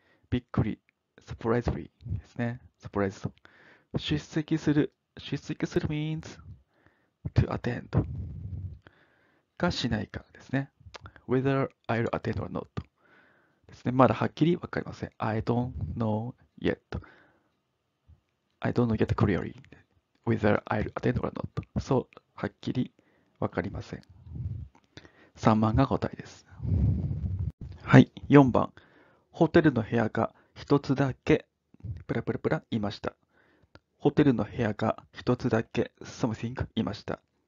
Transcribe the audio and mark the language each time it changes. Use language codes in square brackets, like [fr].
[ja] びっくり、surprisingly ですね。surprise. 出席する。出席する [en] means to attend. [ja] かしないかですね。 [en] whether I'll attend or not. [ja] ですね。まだはっきりわかりません。 [en] I don't know yet. I don't get clearly whether I'll attend or not. [ja] そう、はっきりわかりません。3番が答えです。はい、4番。ホテルの部屋が1つだけ、プラプラプラ、いました。ホテルの部屋が1つだけ、something、いました。